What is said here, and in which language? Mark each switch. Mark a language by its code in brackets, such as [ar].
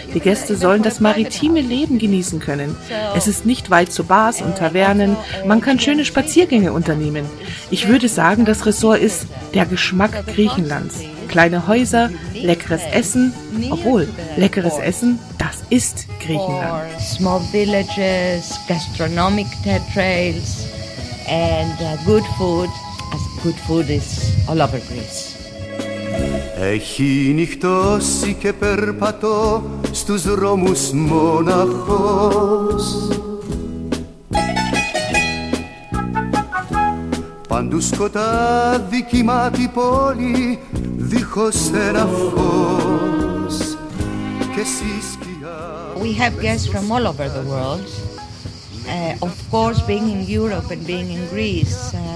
[de] Die Gäste sollen das maritime Leben genießen können. Es ist nicht weit zu Bars und Tavernen. Man kann schöne Spaziergänge unternehmen. Ich würde sagen, das Resort ist der Geschmack Griechenlands. Kleine Häuser, leckeres Essen. Obwohl, leckeres Essen, das ist Griechenland. [en] Small villages, gastronomic trails and good food. As good food is all over Greece. [el] Έχει νυχτώσει και περπατώ στους δρόμους μοναχός. Παντού σκοτάδι κοιμάται η πόλη δίχως ένα φως. Και στη σκιά... [en] We have guests from all over the world. Of course, being in Europe and being in Greece,